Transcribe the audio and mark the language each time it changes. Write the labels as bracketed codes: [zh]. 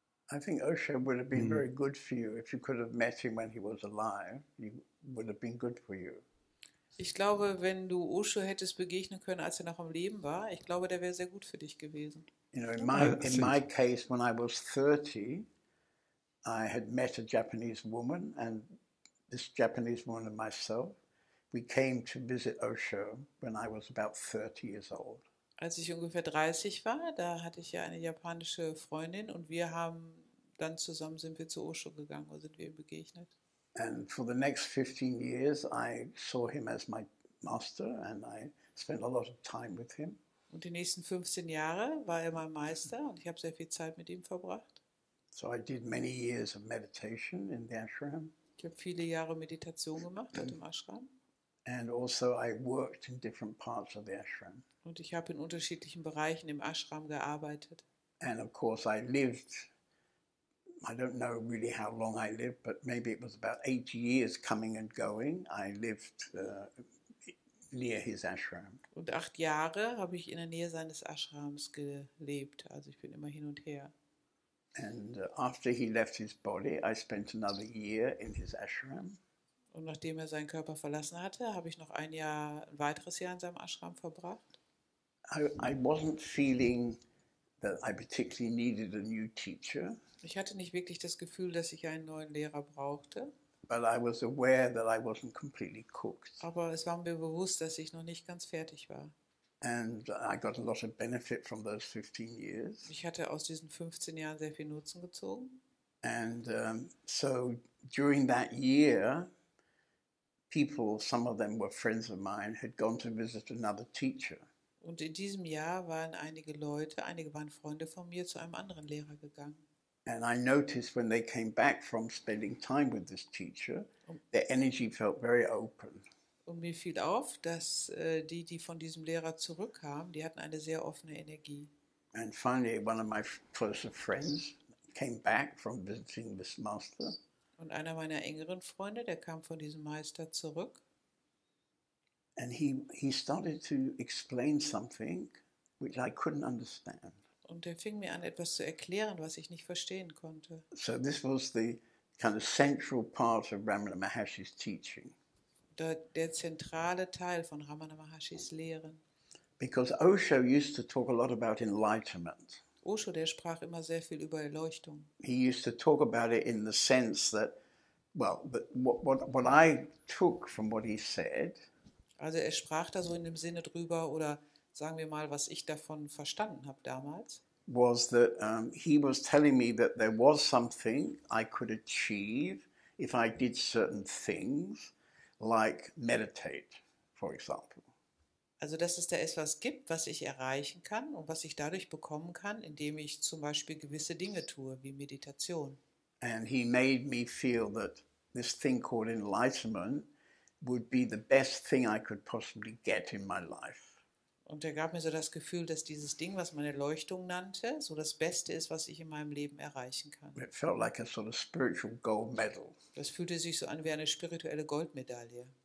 [en] I think Osho would have been very good for you if you could have met him when he was alive. He would have been good for you. [de] Ich glaube, wenn du Osho hättest begegnen können, als er noch am Leben war, ich glaube, der wäre sehr gut für dich gewesen. [en] You know, in my case, when I was 30, I had met a Japanese woman, and this Japanese woman and myself, we came to visit Osho when I was about 30 years old. [de] Als ich ungefähr 30 war, da hatte ich ja eine japanische Freundin und wir haben dann zusammen sind wir zu Osho gegangen und sind wir ihm begegnet. [en] And for the next 15 years I saw him as my master and I spent a lot of time with him. [de] Und die nächsten 15 Jahre war er mein Meister und ich habe sehr viel Zeit mit ihm verbracht. [en] So I did many years of meditation in the ashram. [de] Ich habe viele Jahre Meditation gemacht im Ashram. [en] And also I worked in different parts of the ashram. [de] Und ich habe in unterschiedlichen Bereichen im Ashram gearbeitet. [en] And of course I lived, I don't know really how long I lived, but maybe it was about 8 years coming and going, I lived near his ashram. [de] Und 8 Jahre habe ich in der Nähe seines Ashrams gelebt, also ich bin immer hin und her. [en] And after he left his body, I spent another year in his ashram. [de] Und nachdem er seinen Körper verlassen hatte, habe ich noch ein weiteres Jahr in seinem Ashram verbracht. [en] I wasn't feeling that I particularly needed a new teacher. [de] Ich hatte nicht wirklich das Gefühl, dass ich einen neuen Lehrer brauchte. [en] But I was aware that I wasn't completely cooked. [de] Aber es war mir bewusst, dass ich noch nicht ganz fertig war. [en] And I got a lot of benefit from those 15 years. [de] Ich hatte aus diesen 15 Jahren sehr viel Nutzen gezogen. [en] And so during that year, people, some of them were friends of mine, had gone to visit another teacher. [de] Und in diesem Jahr waren einige waren Freunde von mir, zu einem anderen Lehrer gegangen. [en] And I noticed when they came back from spending time with this teacher, their energy felt very open. [de] Und mir fiel auf, dass die von diesem Lehrer zurückkamen, die hatten eine sehr offene Energie. [en] And finally one of my closer friends came back from visiting this master. [de] Und einer meiner engeren Freunde, der kam von diesem Meister zurück. [en] And he started to explain something which I couldn't understand. [de] Und er fing mir an, etwas zu erklären, was ich nicht verstehen konnte. [en] So this was the kind of central part of Ramana Maharshi's teaching. [de] Der zentrale Teil von Ramana Maharshi's Lehren. [en] Because Osho used to talk a lot about enlightenment. [de] Osho, der sprach immer sehr viel über Erleuchtung. [en] He used to talk about it in the sense that, well, what I took from what he said. [de] Also er sprach da so in dem Sinne drüber oder sagen wir mal, was ich davon verstanden habe damals. [en] Was that he was telling me that there was something I could achieve if I did certain things, like meditate, for example. [de] Also, dass es da etwas gibt, was ich erreichen kann und was ich dadurch bekommen kann, indem ich zum Beispiel gewisse Dinge tue, wie Meditation. [en] And he made me feel that this thing called enlightenment would be the best thing I could possibly get in my life. [de] Und er gab mir so das Gefühl, dass dieses Ding, was man Erleuchtung nannte, so das Beste ist, was ich in meinem Leben erreichen kann. [en] It felt like a sort of spiritual gold medal. [de] Das fühlte sich so an wie eine spirituelle Goldmedaille.